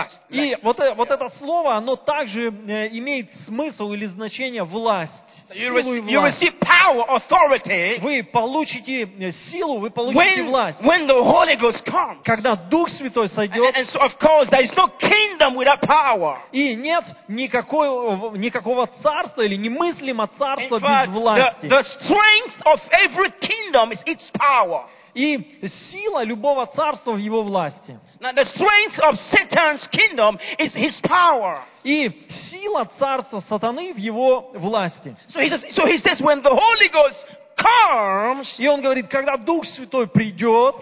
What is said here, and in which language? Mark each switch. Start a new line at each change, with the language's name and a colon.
Russian: И вот это слово, оно также имеет смысл или значение власть.
English: So you receive power, authority.
Russian: Вы получите силу, вы получите власть.
English: When the Holy Ghost comes.
Russian: Когда Дух Святой сойдет.
English: And so of course there is no kingdom without power.
Russian: И нет никакого царства или немыслимо царства без власти.
English: The strength of every kingdom is its power.
Russian: И сила любого царства в его власти.
English: Now the strength of Satan's kingdom is his power.
Russian: И сила царства сатаны в его власти.
English: So he says when the Holy Ghost comes,
Russian: и он говорит, когда Дух Святой придет,